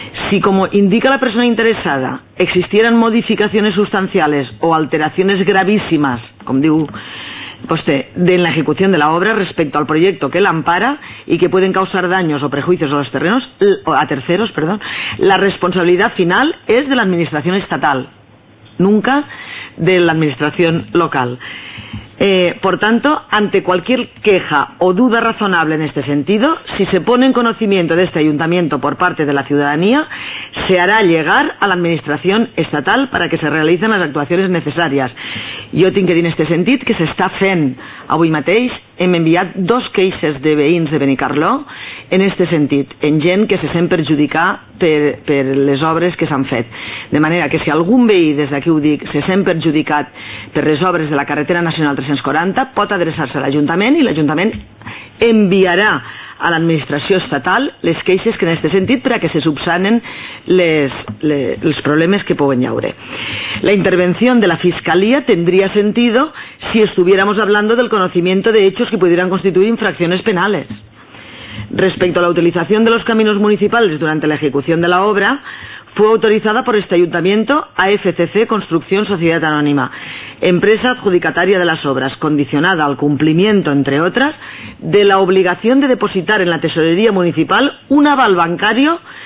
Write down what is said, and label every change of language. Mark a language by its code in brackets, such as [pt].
[es] Si, como indica la persona interesada, existieran modificaciones sustanciales o alteraciones gravísimas, como digo, en la ejecución de la obra respecto al proyecto que la ampara y que pueden causar daños o prejuicios a los terrenos, a terceros, perdón, la responsabilidad final es de la administración estatal, nunca de la administración local. Por tanto, ante cualquier queja o duda razonable en este sentido, si se pone en conocimiento de este ayuntamiento por parte de la ciudadanía, se hará llegar a la administración estatal para que se realicen las actuaciones necesarias. [ca] Jo tinc que dir en este sentit que s'està fent avui mateix. Hem enviat dos queixes de veïns de Benicarló en este sentit, en gent que se sent perjudicat per les obres que s'han fet. De manera que si algun veí, des d'aquí ho dic, se sent perjudicat per les obres de la carretera nacional 340, pot adreçar-se a l'Ajuntament i l'Ajuntament enviarà a l'administració estatal les queixes que en este sentit perquè se subsanen els problemes que poden haure. La intervenció de la Fiscalia tendria sentit [es] si estuviéramos hablando del conocimiento de hechos que pudieran constituir infracciones penales. Respecto a la utilización de los caminos municipales durante la ejecución de la obra, fue autorizada por este ayuntamiento a FCC Construcción Sociedad Anónima, empresa adjudicataria de las obras, condicionada al cumplimiento, entre otras, de la obligación de depositar en la tesorería municipal un aval bancario